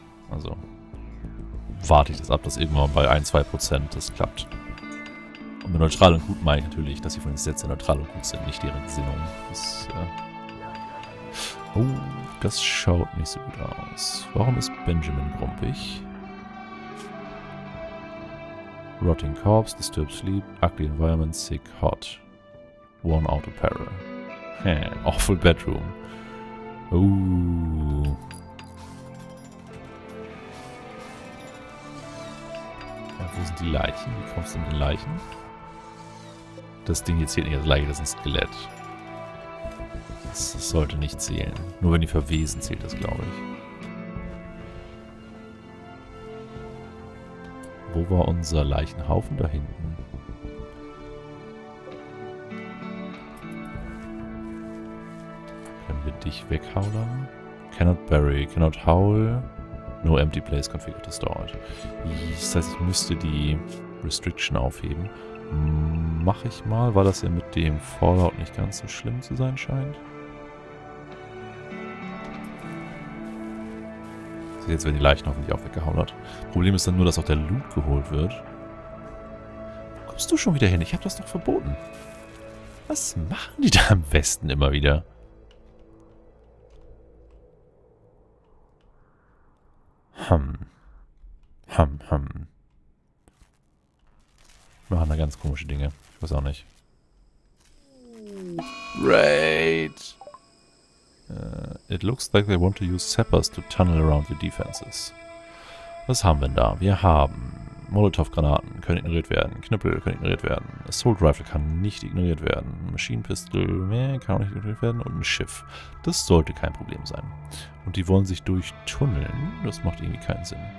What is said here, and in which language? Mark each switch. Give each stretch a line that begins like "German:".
German: Also warte ich das ab, dass irgendwann bei 1-2% das klappt. Und mit neutral und gut meine ich natürlich, dass sie von den Sätzen neutral und gut sind, nicht deren Gesinnung. Das Oh, das schaut nicht so gut aus. Warum ist Benjamin grumpig?
English: Rotting corpse, disturbed sleep, ugly environment, sick, hot. Worn out apparel. Awful bedroom. Ooh.
German: Wo sind die Leichen? Wie kommst du mit den Leichen? Das Ding hier zählt nicht als Leiche, das ist ein Skelett. Das sollte nicht zählen. Nur wenn die verwesen, zählt das, glaube ich. Wo war unser Leichenhaufen da hinten? Können wir dich weghaulern?
English: Cannot bury, cannot howl. No empty place configured to store it.
German: Das heißt, ich müsste die Restriction aufheben. Mach ich mal, weil das ja mit dem Fallout nicht ganz so schlimm zu sein scheint. Jetzt werden die Leichen hoffentlich auch weggehauen. Problem ist dann nur, dass auch der Loot geholt wird. Wo kommst du schon wieder hin? Ich hab das doch verboten. Was machen die da im Westen immer wieder? Hm. Machen da ganz komische Dinge. Ich weiß auch nicht.
English: Great. It looks like they want to use sappers to tunnel around your defenses.
German: Was haben wir denn da? Wir haben Molotov-Granaten, können ignoriert werden. Knüppel können ignoriert werden. Assault Rifle kann nicht ignoriert werden. Machine Pistol, kann auch nicht ignoriert werden. Und ein Schiff. Das sollte kein Problem sein. Und die wollen sich durchtunneln? Das macht irgendwie keinen Sinn.